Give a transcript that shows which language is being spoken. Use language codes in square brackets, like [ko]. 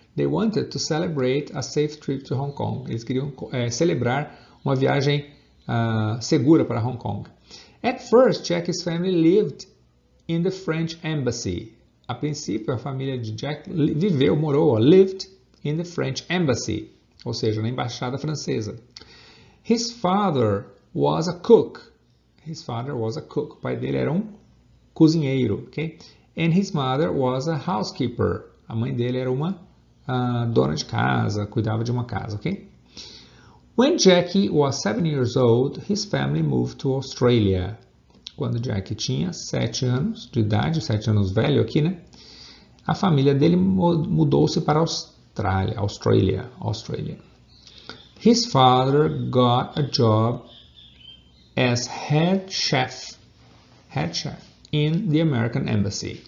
[en] They wanted to celebrate a safe trip to Hong Kong. [pt] Eles queriam celebrar uma viagem segura para Hong Kong. [en] At first, Jack's family lived in the French Embassy. [pt] A princípio, a família de Jack [en] lived in the French Embassy, [pt] ou seja, na embaixada francesa. [en] His father was a cook. His father was a cook. [pt] O pai dele era um cozinheiro, ok? [en] And his mother was a housekeeper. [pt] A mãe dele era uma dona de casa, cuidava de uma casa, ok? [en] When Jackie was 7 years old, his family moved to Australia. [pt] Quando Jackie tinha 7 anos de idade, 7 anos velho aqui, né? A família dele mudou-se para Austrália. [en] His father got a job as head chef in the American Embassy.